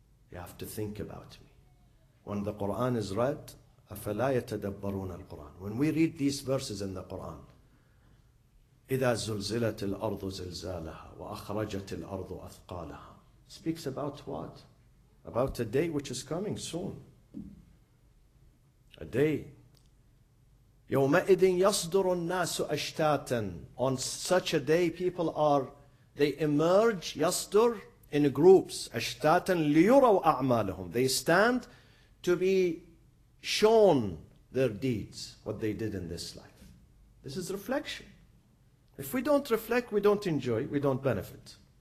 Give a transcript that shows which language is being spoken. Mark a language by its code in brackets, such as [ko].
[en] You have to think about me. When the Quran is read, [ar] أَفَلَا يَتَدَبَّرُونَ الْقُرْآنَ. [en] When we read these verses in the Quran, [ar] إِذَا زُلْزِلَتِ الْأَرْضُ زِلْزَالَهَا وَأَخْرَجَتِ الْأَرْضُ أَثْقَالَهَا. [en] Speaks about what? About a day which is coming soon. A day. [ar] يَوْمَئِذٍ يَصْدُرُ النَّاسُ أَشْتَاتًا. [en] On such a day, they emerge, [ar] يَصْدُر, [en] in groups, [ar] أَشْتَاتًا لِيُرَوْ أَعْمَالَهُمْ. [en] They stand to be shown their deeds, what they did in this life. This is reflection. If we don't reflect, we don't enjoy, we don't benefit.